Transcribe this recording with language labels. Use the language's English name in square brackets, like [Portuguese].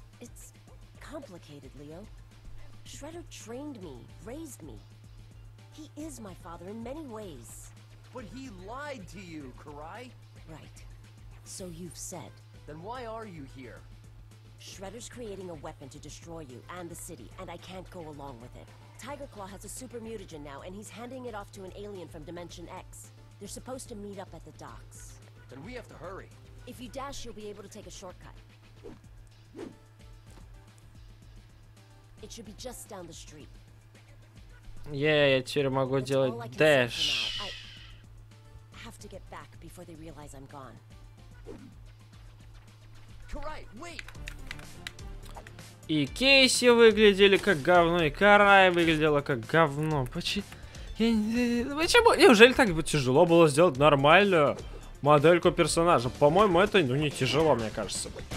[Russian] Это сложно, Лео. Шреддер тренировал меня, родил меня. Он мой отец в многих способах. Но он лгал тебе, Карай. Правильно. Так ты сказал. Тогда почему ты здесь? Шреддер создает оружие, чтобы уничтожить тебя и город, и я не могу идти с ним. [English] Tiger Claw has a super mutagen now, and he's handing it off to an alien from Dimension X. They're supposed to meet up at the docks. Then we have to hurry. If you dash, you'll be able to take a shortcut. It should be just down the street. Yeah, [Russian] я теперь могу делать [English] dash. I have to get back before they realize I'm gone. Karai, wait! [Russian] И Кейси выглядели как говно, и Карай выглядела как говно. Почему? Неужели так тяжело было сделать нормальную модельку персонажа? По-моему, это ну не тяжело, мне кажется.